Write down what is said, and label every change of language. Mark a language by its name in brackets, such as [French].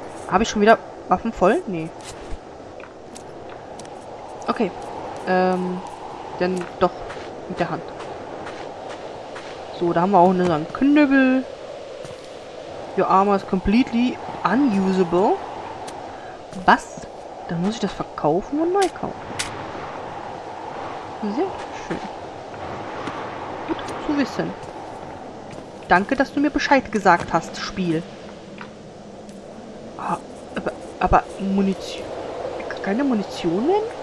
[German] Habe ich schon wieder Waffen voll? Nee. Okay, dann doch mit der Hand. So, da haben wir auch unseren Knüppel. [English] Your armor is completely unusable. [German] Was? Dann muss ich das verkaufen und neu kaufen. Sehr schön. Gut zu wissen. Danke, dass du mir Bescheid gesagt hast, Spiel. Aber Munition... Keine Munition mehr?